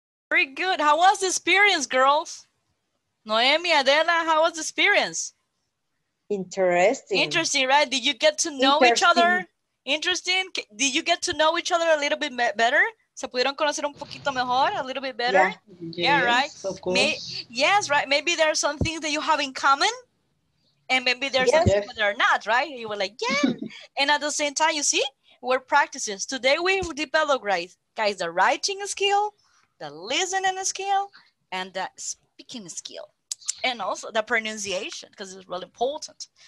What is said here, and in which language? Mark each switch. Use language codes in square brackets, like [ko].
[en] Very good. How was the experience, girls? Noemi, Adela, how was the experience? Interesting. Interesting, right? Did you get to know each other? Interesting. Did you get to know each other a little bit better? [es] ¿Se pudieron conocer un poquito mejor, [en] a little bit better? Yeah, yeah, right? Of course. Yes, right? Maybe there are some things that you have in common, and maybe there's some things that are not, right? You were like, yeah. And at the same time, you see, we're practicing. Today, we develop, right? Guys, the writing skill, the listening skill, and the speaking skill, and also the pronunciation, because it's really important.